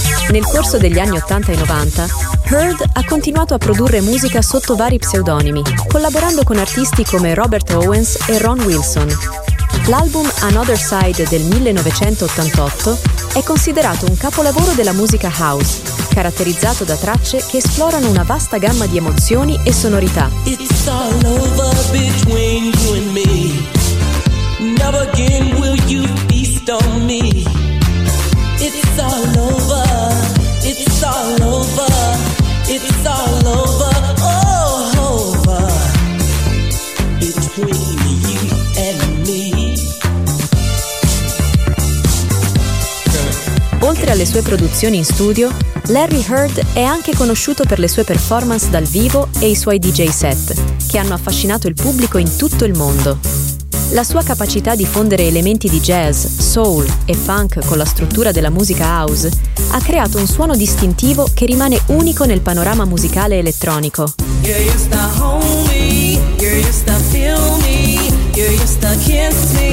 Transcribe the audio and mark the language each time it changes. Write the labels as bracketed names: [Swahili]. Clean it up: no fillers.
[Italian] Nel corso degli anni 80 e 90, Heard ha continuato a produrre musica sotto vari pseudonimi, collaborando con artisti come Robert Owens e Ron Wilson. L'album Another Side del 1988 è considerato un capolavoro della musica house, caratterizzato da tracce che esplorano una vasta gamma di emozioni e sonorità. [English] It's all over between you and me. Never again will you feast on me. It's all over. It's all over. It's all over, all over, between you and me. [Italian] Oltre alle sue produzioni in studio, Larry Heard è anche conosciuto per le sue performance dal vivo e i suoi DJ set, che hanno affascinato il pubblico in tutto il mondo. La sua capacità di fondere elementi di jazz, soul e funk con la struttura della musica house ha creato un suono distintivo che rimane unico nel panorama musicale elettronico. [English] You used to hold me, you used to feel me, you used to kiss me.